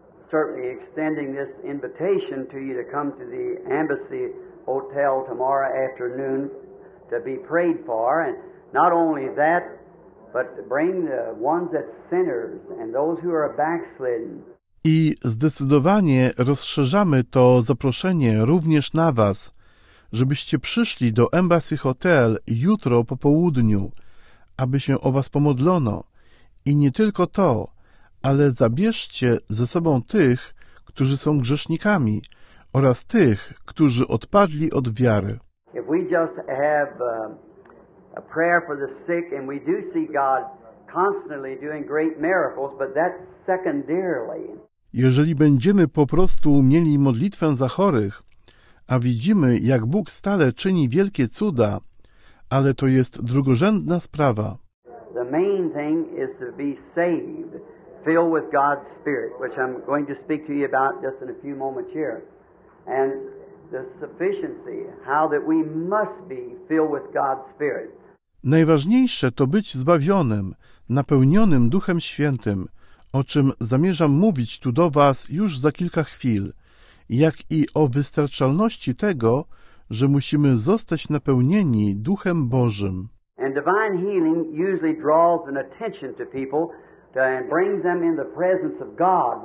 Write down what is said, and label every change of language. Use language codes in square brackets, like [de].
[en] Certainly extending this invitation to you to come to the Embassy Hotel tomorrow afternoon to be prayed for, and not only that, but to bring the ones that sinners and those who are backslidden. [pl] I zdecydowanie rozszerzamy to zaproszenie również na was, żebyście przyszli do Embassy Hotel jutro po południu, aby się o was pomodlono. I nie tylko to, ale zabierzcie ze sobą tych, którzy są grzesznikami oraz tych, którzy odpadli od wiary. [en] If we just have a prayer for the sick and we do see God constantly doing great miracles, but that's secondarily. [pl] Jeżeli będziemy po prostu mieli modlitwę za chorych, a widzimy, jak Bóg stale czyni wielkie cuda, ale to jest drugorzędna sprawa. [en] The main thing is to be saved, filled with God's Spirit, which I'm going to speak to you about just in a few moments here. And the sufficiency, how that we must be filled with God's Spirit. [pl] Najważniejsze to być zbawionym, napełnionym Duchem Świętym, o czym zamierzam mówić tu do was już za kilka chwil, jak i o wystarczalności tego, że musimy zostać napełnieni Duchem Bożym. [en] And divine healing usually draws an attention to people and brings them in the presence of God.